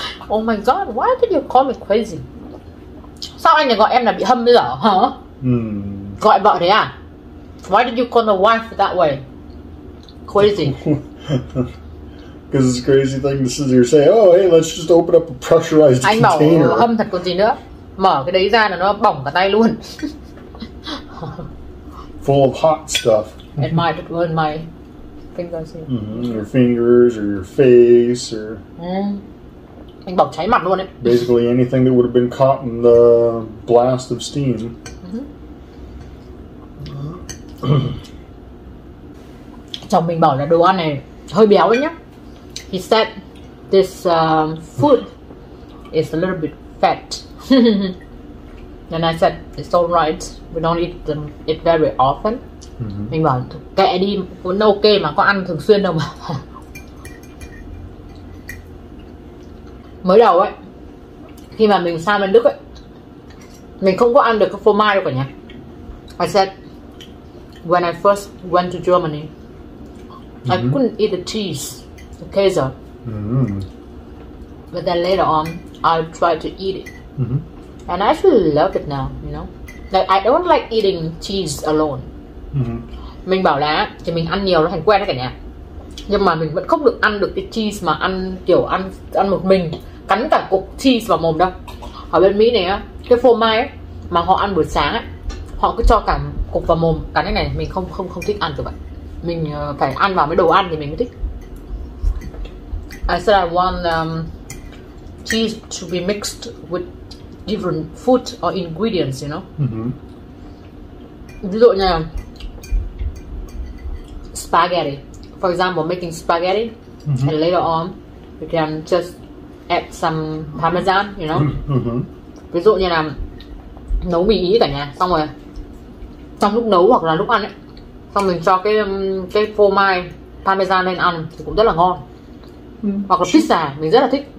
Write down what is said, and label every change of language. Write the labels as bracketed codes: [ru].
[en] Oh my god, why did you call me crazy? [vi] Sao anh lại gọi em là bị hâm bây giờ, hả? Mm. Gọi vợ thế à? [en] Why did you call the wife that way? Crazy. Because it's a crazy thing to sit here say, oh hey, let's just open up a pressurized [vi] anh [en] container. [vi] Anh bảo hâm thật còn gì nữa. Mở cái đấy ra là nó bỏng cả tay luôn. [en] Full of hot stuff. It might have ruined my fingers here. Mm-hmm. Your fingers or your face or... [vi] Mm. Anh bảo cháy mặt luôn ấy. [en] Basically anything that would have been caught in the blast of steam. [vi] Chồng mình bảo là đồ ăn này hơi béo đấy nhá. [en] He said this food is a little bit fat. And I said it's all right. We don't eat them it very often. Mm-hmm. [vi] Mình bảo kệ đi, vẫn ok mà, có ăn thường xuyên đâu mà. Mới đầu ấy, khi mà mình sang bên Đức ấy, mình không có ăn được cái phô mai đâu cả nhà. [en] I said, when I first went to Germany, mm-hmm. I couldn't eat the cheese, the käse. Mm-hmm. But then later on, I tried to eat it. Mm-hmm. And I actually love it now, you know. that I don't like eating cheese alone. [vi] Mình bảo là thì mình ăn nhiều nó thành quen đấy cả nhà. Nhưng mà mình vẫn không được ăn được cái cheese mà ăn kiểu ăn một mình, cắn cả cục cheese vào mồm đâu. Ở bên Mỹ này á, cái phô mai á mà họ ăn buổi sáng á, họ cứ cho cả cục vào mồm cắn cái này, mình không thích ăn được vậy. Mình phải ăn vào mấy đồ ăn thì mình mới thích. [en] I said I want cheese to be mixed with different food or ingredients, you know. [vi] Ví dụ như spaghetti. [en] For example, making spaghetti, and later on we can just add some parmesan, you know. [vi] Ví dụ như là nấu mì ý cả nhà, xong rồi trong lúc nấu hoặc là lúc ăn ấy, xong mình cho cái phô mai parmesan lên ăn thì cũng rất là ngon. Hoặc là pizza, mình rất là thích.